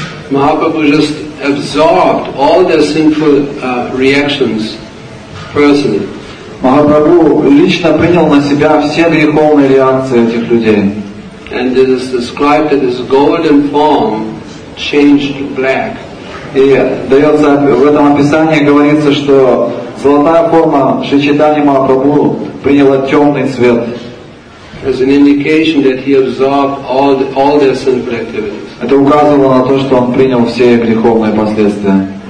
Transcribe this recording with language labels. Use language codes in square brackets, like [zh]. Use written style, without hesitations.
[en] Махапрабху just absorbed all their sinful reactions personally. [ru] Махапрабху лично принял на себя все греховные реакции этих людей. [en] And it is described that his golden form changed black. [ru] И дается в этом описании говорится, что золотая форма Шри Чайтанья Махапрабху приняла темный цвет. [en] As an indication that he absorbed all their sinful activities. [ru] Это указывало на то, что он принял все греховные последствия.